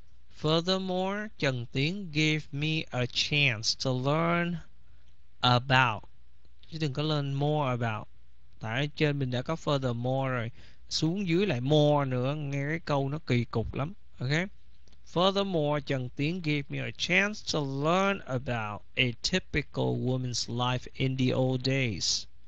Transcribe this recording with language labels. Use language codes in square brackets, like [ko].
[en] Furthermore, Trần Tiến gave me a chance to learn about. [vi] Chứ đừng có [en] learn more about. [vi] Tại ở trên mình đã có furthermore rồi, xuống dưới lại more nữa, nghe cái câu nó kỳ cục lắm. [en] Okay. Furthermore, Trần Tiến gave me a chance to learn about a typical woman's life in the old days.